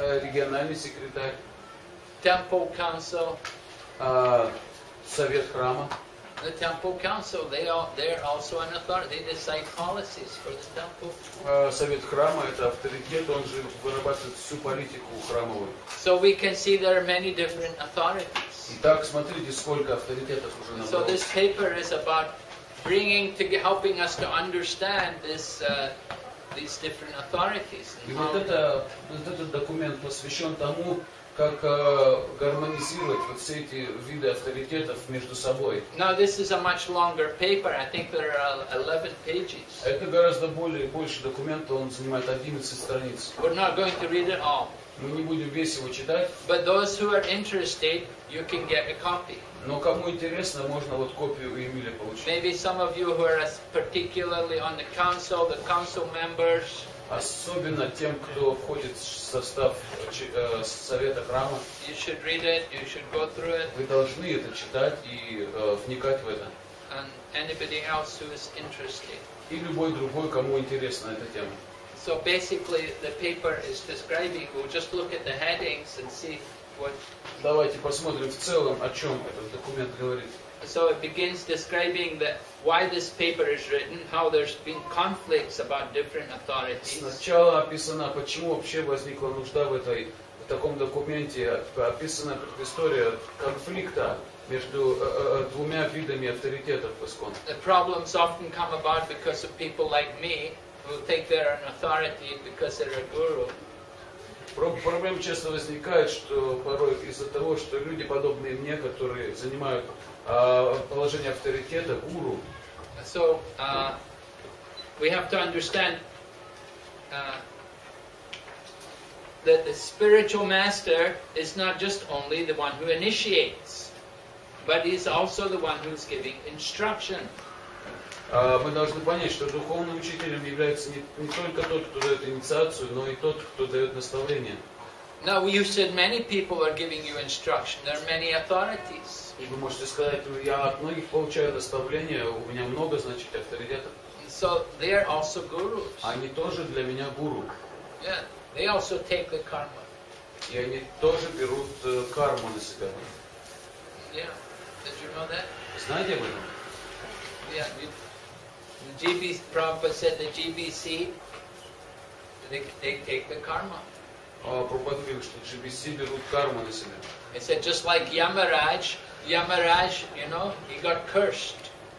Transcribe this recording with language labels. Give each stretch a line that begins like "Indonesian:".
Russian: Региональный секретарь.
English: Temple Council.
Russian: Совет храма.
English: The temple council, they're also an authority. They decide policies for the temple.
Russian: Совет храма это авторитет, он же вырабатывает всю политику храмовую.
English: So we can see there are many different authorities.
Russian: Итак, смотрите, сколько авторитетов уже набралось.
English: So this paper is about bringing to helping us to understand this these different authorities.
Russian: И вот этот документ посвящен тому, как гармонизировать вот все эти виды авторитетов между собой.
English: Now this is a much longer paper. I think there are 11 pages.
Russian: Это гораздо больше документа, он занимает 11 страниц.
English: We're not going to read it all.
Russian: Мы не будем весь его читать.
English: But those who are interested, you can get a copy.
Russian: Но кому интересно, можно вот копию у Эмиля получить.
English: Maybe some of you who are particularly on the council members.
Russian: Особенно тем, кто входит в состав Совета Храма.
English: You should read it, you should go through it.
Russian: Вы должны это читать и вникать в это.
English: And anybody else who is interested.
Russian: И любой другой, кому интересна эта тема.
English: So basically the paper is describing, we'll just look at the headings and see what...
Russian: Давайте посмотрим в целом, о чем этот документ говорит.
English: So it begins describing that why this paper is written, how there's been conflicts about different authorities.
Russian: Сначала описано, почему вообще возникла нужда в этой в таком документе, описана как история конфликта между двумя видами авторитетов в ИСККОН.
English: The problems often come about because of people like me who think they're an authority because they're a guru.
Russian: Проблемы часто возникают, что порой из-за того, что люди подобные мне, которые занимают положение авторитета, гуру.
English: So, we have to understand that the spiritual master is not just only the one who initiates, but is also the one who's giving instruction.
Russian: Мы должны понять, что духовным учителем является не только тот, кто дает инициацию, но и тот, кто дает наставление.
English: Now you said many people are giving you instruction. There are many authorities.
Russian: Вы можете сказать, я от многих получаю наставления, у меня много, значит, авторитетов.
English: So they are also gurus.
Russian: Они тоже для меня гуру.
English: Yeah, they also take the karma.
Russian: И они тоже берут карму на себя.
English: Yeah, did you know that?
Russian: Знаете вы это?
English: Yeah, GBC, Prabhupada said the GBC, they take the karma.
Russian: Прабхупада говорит, что GBC берут карму на себя.
English: He said, just like Yamaraj, you know, he got cursed.